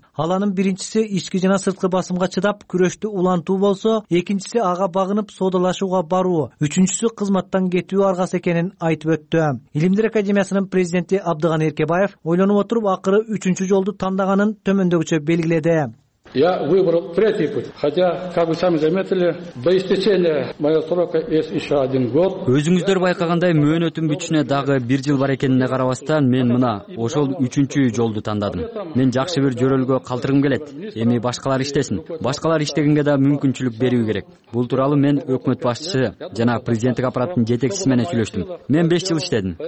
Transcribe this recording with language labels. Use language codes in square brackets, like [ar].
[ky] Ал анын биринчиси ички жана сырткы басымга чыдап күрөштү улантуу болсо, экинчиси ага багынып соодалашууга баруу, үчүнчүсү кызматтан кетүү аргасы экенин айтып өттү. Илимдер Академиясынын президенти Абдыганы Эркебаев ойлонуп отуруп акыры 3-үнчү жолду тандаганын төмөндөгүчө белгиледи. [ru] Я выбрал третий путь, хотя, как вы сами заметили, до истечения моего срока есть еще один год. [ky] Өзүңүздөр байкагандай, мөөнөтүм бүтүшүнө дагы бир жыл бар экенине карабастан, мен мына ошол үчүнчү жолду тандадым. Мен жакшы бир жөрөлгө калтыргым келет. Эми башкалар иштесин. Башкалар иштегенге да мүмкүнчүлүк берүү керек. Бул тууралуу мен өкмөт башчысы жана президенттик аппараттын жетекчиси менен сүйлөштүм. Мен 5 жыл иштедим.